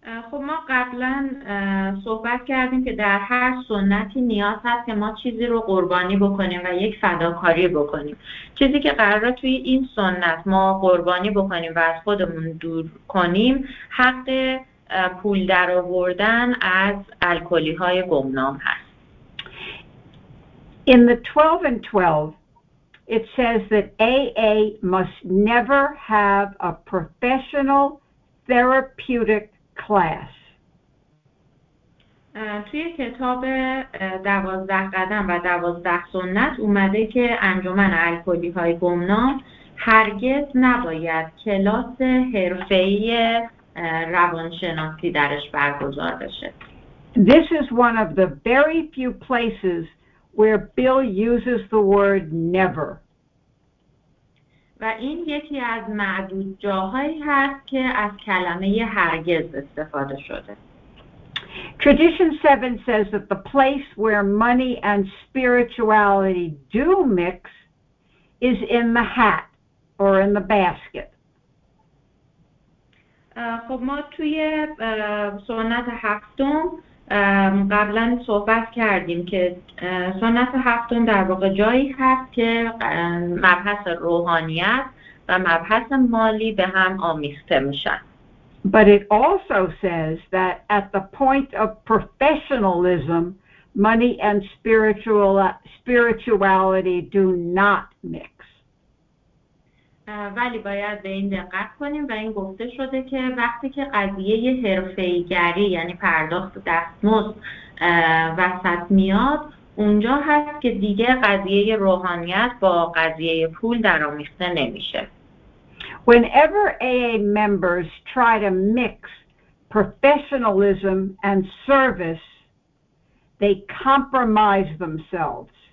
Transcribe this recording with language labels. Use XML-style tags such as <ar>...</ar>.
<fa>خب ما قبلا صحبت کردیم که در هر سنتی نیاز هست که ما چیزی رو قربانی بکنیم و یک فداکاری بکنیم. چیزی که قراره توی این سنت ما قربانی بکنیم و از خودمون دور کنیم حق پول درآوردن از الکلی‌های گمنام هست.</fa> <en>In the 12 and 12 it says that AA must never have a professional therapeutic class.</en> <fa>توی کتاب 12 قدم و 12 سنت اومده که انجمن الکلی‌های گمنام هرگز نباید کلاس حرفه‌ای روانشناسی درش برگزار بشه.</fa> <en>This is one of the very few places where Bill uses the word never.</en> <fa>و این یکی از معدود جاهایی هست که از کلمه هرگز استفاده شده.</fa> <en>Tradition 7 says that the place where money and spirituality do mix is in the hat or in the basket.</en> <fa>خب ما توی سنت هفتم قبلا صحبت کردیم که سنت هفتم در واقع جایی هست که مبحث روحانیت و مبحث مالی به هم آمیخته میشن.</fa> <en>But it also says that at the point of professionalism, money and spirituality do not mix.</en> <fa>ولی باید به این دقت کنیم و این گفته شده که وقتی که قضیه حرفه‌ای‌گری یعنی پرداخت دستمزد وسط میاد، اونجا هست که دیگه قضیه روحانیت با قضیه پول در آمیخته نمیشه.</fa> <en>Whenever AA members try to mix professionalism and service, they compromise themselves.</en>